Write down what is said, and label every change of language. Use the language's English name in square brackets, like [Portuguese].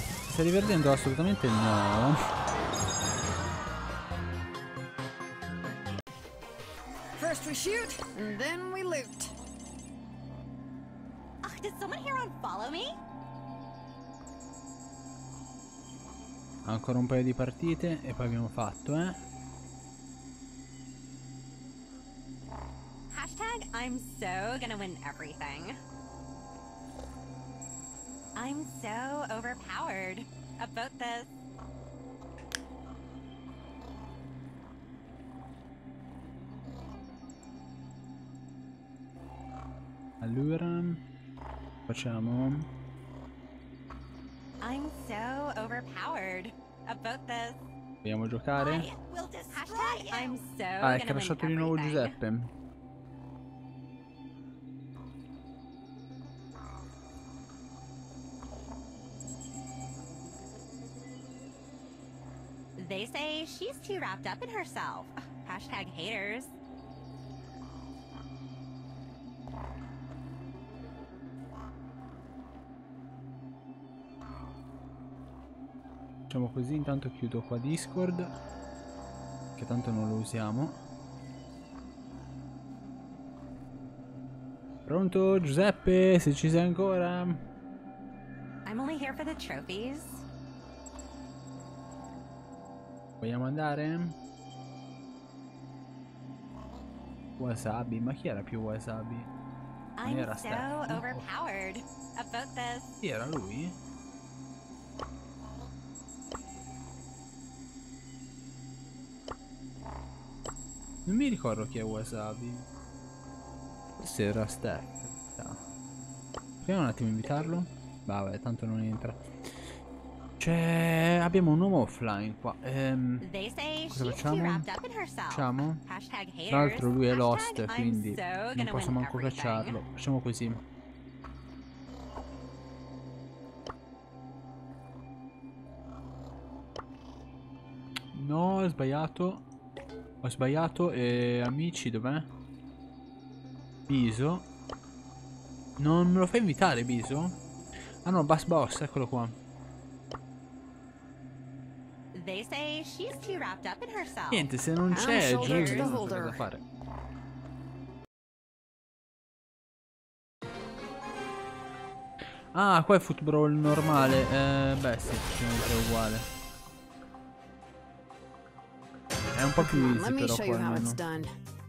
[Italian] Stai divertendo? Assolutamente no. [English] First we shoot, and then we loot. Did someone here unfollow me? [Italian] Ancora un paio di partite e poi abbiamo fatto, eh? [English] Hashtag I'm so gonna win everything. I'm so overpowered about this. [Italian] Allora. Facciamo. [English] I'm so overpowered about this. [Italian] Vogliamo giocare? [English] I'm so [Italian] è crashato di nuovo Giuseppe. [English] They say she's too wrapped up in herself. Hashtag haters. Thank you. [Italian] Facciamo così, intanto chiudo qua Discord, che tanto non lo usiamo. Pronto, Giuseppe, se ci sei ancora? [English] I'm only here for the trophies. [Italian] Vogliamo andare? Wasabi, ma chi era più Wasabi? Non era Steph. I'm so overpowered about this. Chi era lui? Non mi ricordo chi è Wasabi. Se era Steph. Proviamo un attimo a invitarlo. Vabbè, tanto non entra. C'è... abbiamo un uomo offline qua. Cosa facciamo? Facciamo? Tra l'altro lui è lost, quindi non posso manco cacciarlo. Facciamo così. No, ho sbagliato. Ho sbagliato. E amici, dov'è? Biso. Non me lo fai invitare, Biso? Ah no, Bass Boss, eccolo qua. [English] They say she's too wrapped up in herself. [Italian] Niente, se non c'è, giusto, non c'è da fare. Ah, qua è football normale. Beh, sì, ci sembra uguale. È un po' più easy, però, qua almeno.